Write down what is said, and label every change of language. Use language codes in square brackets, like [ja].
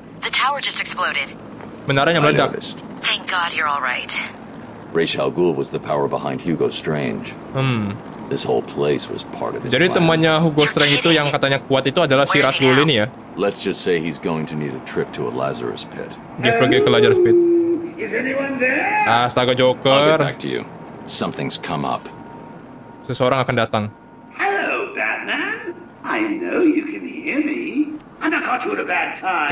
[en] The tower just exploded. [id] Menaranya meledak. [en] Thank God you're all right. Ra's al Ghul was the power behind Hugo Strange. This whole place was part of his. [id] Jadi temannya Hugo Strange itu yang katanya kuat itu adalah si Ra's al Ghul ini ya. [en] Let's just say he's going to need a trip to a Lazarus pit. [id] Dia pergi ke Lazarus pit. [en] Is anyone there? [id] Astaga Joker. [en] I'll get back to you. Something's come up. [id] Seseorang akan datang. [en] Hello Batman. I know you can hear me. And I caught you at a bad time.